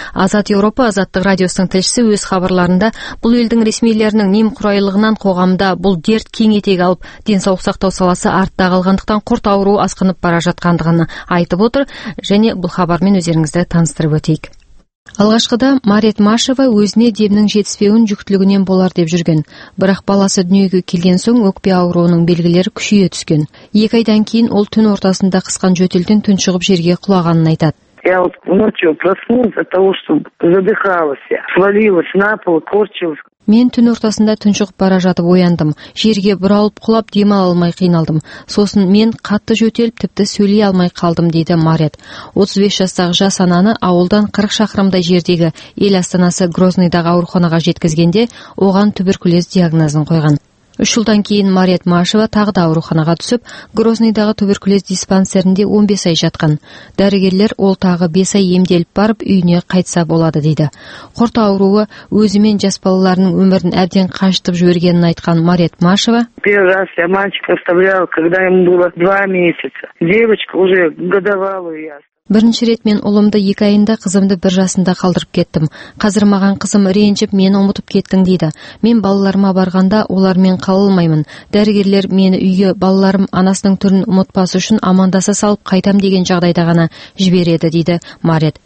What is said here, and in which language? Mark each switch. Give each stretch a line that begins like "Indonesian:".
Kazakh: Азат Еуропа Азаттық радиосының тілшісі өз хабарларында бұл елдің ресмилерінің немқұрайлығынан қоғамда бұл дерт кең етек алып, денсаулық сақтау саласы артта қалғандықтан құрт ауруы асқынып бара жатқандығын айтып отыр және бұл хабармен өздеріңізді таныстырып өтейік. Алғашқыда Марет Машева өзіне демнің жетіспеуін жүктілігінен болар деп жүрген. Бірақ баласы дүниеге келген соң өкпе ауруының белгілері күшейе түскен. Екі айдан кейін ол түн ортасында қысқан жөтелден түн шығып жерге құлағанын айтады.
Russian: Я вот ночью проснулась от того, что задыхалась, свалилась на пол, корчилась.
Kazakh: Мен түн ортасында түншіғіп бара жатып ояндым. Жерге бұралып құлап демал алмай қиналдым. Сосын мен қатты жөтеліп тіпті сөйлей алмай қалдым, дейді Марет. 35 жастағы жас ананы ауылдан 40 шақырымдай жердегі ел астанасы Грозныйдағы ауруханаға жеткізгенде оған туберкулез диагнозын қойған. Үш жылдан кейін Марет Машева тағы да ауруханаға түсіп, Грозныйдағы туберкулез диспансерінде 15 ай жатқан. Дәрігерлер ол тағы 5 ай емделіп барып, үйіне қайтса болады дейді. Құрт ауруы өзімен жас балаларының өмірін әбден қашытып жібергенін айтқан Марет Машева.
Russian: Первый раз я мальчик оставлял, когда ему было 2 месяца. Девочка уже годовалая я.
Kazakh: Бірінші рет мен ұлымды 2 айында, қызымды 1 жасында қалдырып кеттім. Қазір маған қызым ренжіп, мені ұмытып кеттің дейді. Мен балаларыма барғанда олармен қала алмаймын. Дәрігерлер мені үйге балаларым анасының түрін ұмытпас үшін амандаса салып қайтам деген жағдайда ғана жібереді, дейді Марет.